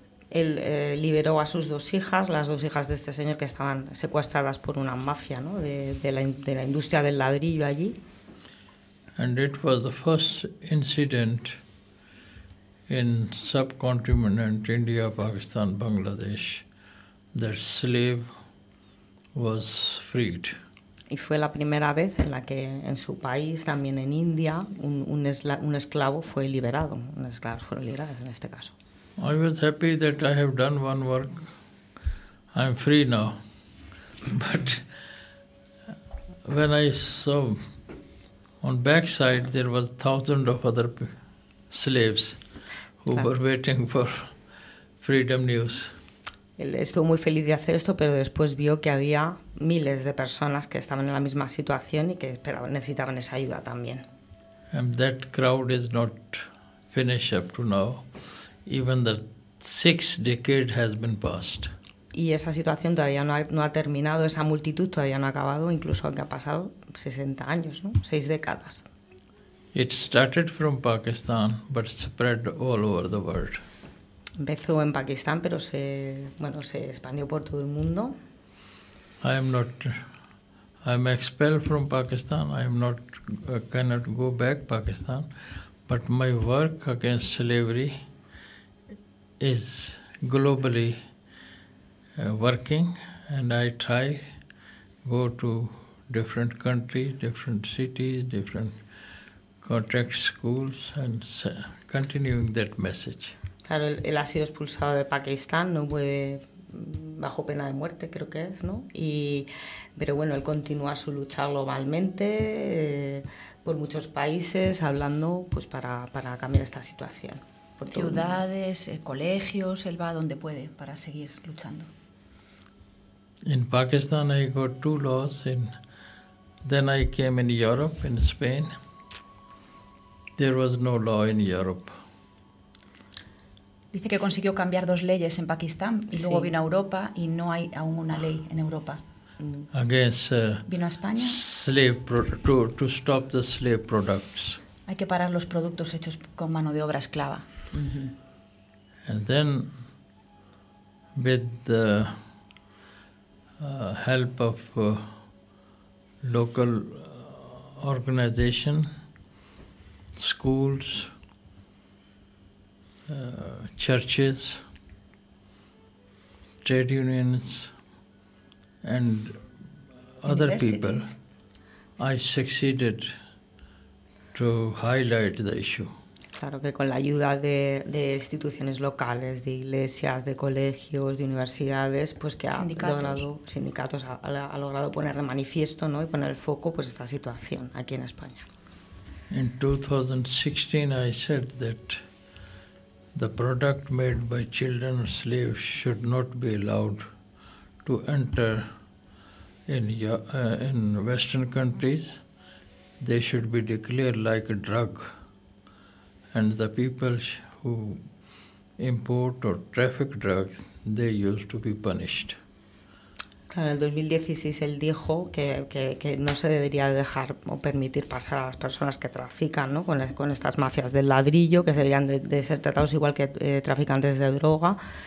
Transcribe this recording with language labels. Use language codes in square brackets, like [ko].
[es] Él liberó a sus dos hijas, las dos hijas de este señor que estaban secuestradas por una mafia, ¿no?, de la industria del ladrillo allí. [en] And it was the first incident in subcontinent India, Pakistan, Bangladesh that slave was freed. [es] Y fue la primera vez en la que en su país, también en India, un esclavo fue liberado. Unas esclavas fueron liberadas en este caso. [en] I was happy that I have done one work. I'm free now. But when I saw on backside there was thousands of other slaves who were waiting for freedom news. [es] Él estuvo muy feliz de hacer esto, pero después vio que había miles de personas que estaban en la misma situación y que esperaban, necesitaban esa ayuda también. [en] And that crowd is not finished up to now. Even the Six decades has been passed. [es] Y esa situación todavía no ha terminado, esa multitud todavía no ha acabado, incluso aunque ha pasado 60 años, ¿no? Seis décadas. [en] It started from Pakistan, but spread all over the world. [es] Empezó en Pakistán, pero se expandió por todo el mundo. [en] I'm expelled from Pakistan. I cannot go back to Pakistan, but my work against slavery is globally working, and I try go to different countries, different cities, different contract schools, and continuing that message. [es] Claro, él ha sido expulsado de Pakistán, no puede, bajo pena de muerte, creo que es, ¿no? Y, pero bueno, él continúa su lucha globalmente, por muchos países, hablando pues para cambiar esta situación. Ciudades, colegios, él va donde puede para seguir luchando. [en] In Pakistan I got two laws, then I came in Europe, in Spain. There was no law in Europe. [es] Dice que consiguió cambiar dos leyes en Pakistán y luego vino a Europa y no hay aún una ley en Europa. [en] Against, [es] vino a España. [en] To stop the slave products. [es] Hay que parar los productos hechos con mano de obra esclava. Mm-hmm. [en] And then, with the help of local organization, schools, churches, trade unions, and other people, I succeeded to highlight the issue. [es] Claro que con la ayuda de instituciones locales, de iglesias, de colegios, de universidades, pues que sindicatos ha logrado poner de manifiesto, ¿no? Y poner el foco, pues esta situación aquí en España. [en] In 2016, I said that the product made by children or slaves should not be allowed to enter in Western countries. They should be declared like a drug, and the people who import or traffic drugs, they used to be punished. [es] En el 2016 él dijo que no se debería dejar o permitir pasar a las personas que trafican, ¿no? con estas mafias del ladrillo, que deberían de ser tratados igual que traficantes de droga.